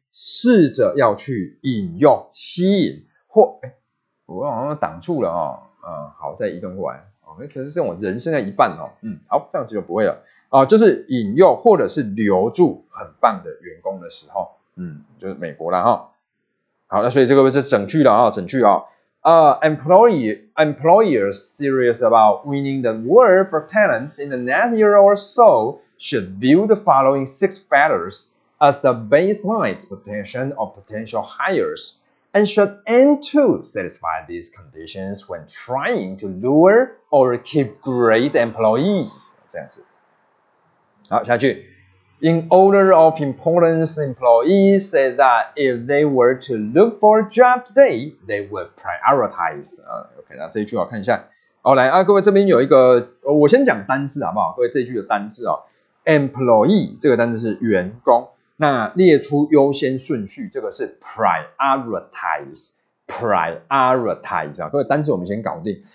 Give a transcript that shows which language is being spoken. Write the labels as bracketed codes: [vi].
[zh] 试着要去引用吸引或我好像挡住了哦，好，再移动过来，可是是我人生的一半哦，好，这样子就不会了哦，就是引用或者是留住很棒的员工的时候，就是美国啦哦。好，那所以这个位置整句了啊、哦，整句啊、哦。 [en] Employers serious about winning the war for talents in the next year or so should view the following six factors as the baseline expectation of potential hires and should aim to satisfy these conditions when trying to lure or keep great employees。 [zh] 这样子。好，下句。 [en] In order of importance, employees say that if they were to look for a job today, they would prioritize. [zh] OK, 那这一句我看一下。好，来啊，各位这边有一个，我先讲单字好不好？各位这一句的单字哦 ，employee 这个单字是员工，那列出优先顺序，这个是 prioritize 啊。各位单字我们先搞定。